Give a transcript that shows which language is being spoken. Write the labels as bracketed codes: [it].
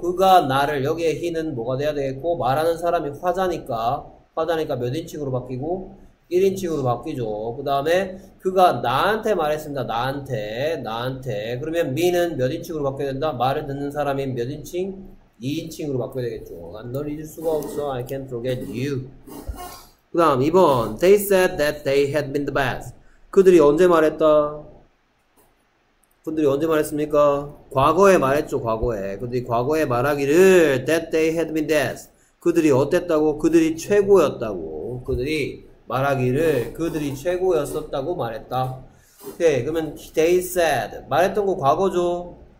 [ko] 그가 나를, 여기에 he는 뭐가 돼야 되겠고, 말하는 사람이 화자니까 몇 인칭으로 바뀌고, 1인칭으로 바뀌죠. 그 다음에 그가 나한테 말했습니다. 나한테. 그러면 me는 몇 인칭으로 바뀌어야 된다? 말을 듣는 사람이 몇 인칭? 2인칭으로 바꿔야 되겠죠. 난 널 잊을 수가 없어. [en] I can't forget you. [ko] 그 다음 2번. [en] They said that they had been the best. [ko] 그들이 언제 말했다? 그들이 언제 말했습니까? 과거에 말했죠. 과거에. 그들이 과거에 말하기를 [en] that they had been the best. [ko] 그들이 어땠다고? 그들이 최고였다고. 그들이 말하기를 그들이 최고였었다고 말했다. 오케이. 그러면 [en] they said. [ko] 말했던 거 과거죠.